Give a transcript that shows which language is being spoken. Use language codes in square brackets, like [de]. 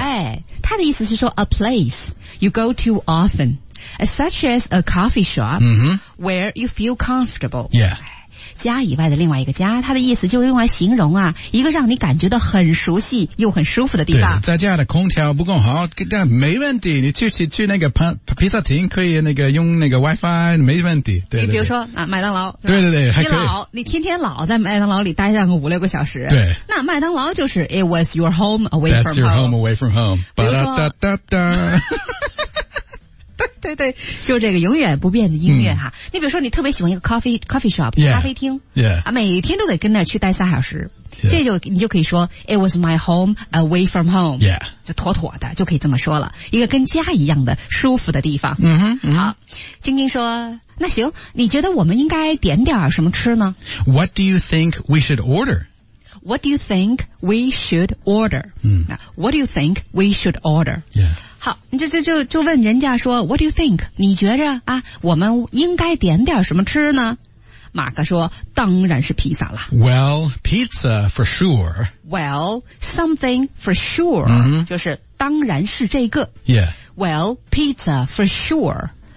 [zh] 哎，他的意思是说 [en] a place you go to often such as a coffee shop、where you feel comfortable、 [zh] 家以外的另外一个家，它的意思就是用来形容啊，一个让你感觉到很熟悉又很舒服的地方。对，在家的空调不够好，但没问题，你去那个披萨厅可以那个用那个 WiFi, 没问题。对, 对, 对，你比如说啊，麦当劳。对对对，还可以。你天天老在麦当劳里待上个五六个小时。对。那麦当劳就是 [en] It was your home away from home. That's your home away from home. [zh] 比如说。对对，就这个永远不变的音乐哈。你比如说，你特别喜欢一个coffee shop 咖啡厅，每天都得跟那儿去待三小时， [en] yeah. [zh] 这就你就可以说 [en] It was my home away from home， yeah. [zh] 就妥妥的就可以这么说了，一个跟家一样的舒服的地方。好，晶晶说，那行，你觉得我们应该点点什么吃呢 [en] ？What do you think we should order？ What do you think we should order?、What do you think we should order?、 [zh] 好，就问人家说 [en] What do you think? [zh] 你觉着啊，我们应该点点什么吃呢？马克说，当然是披萨了。 [en] Well, pizza for sure. Well, something for sure.、 [zh] 就是当然是这个。 [en] Yeah. Well, pizza for sure.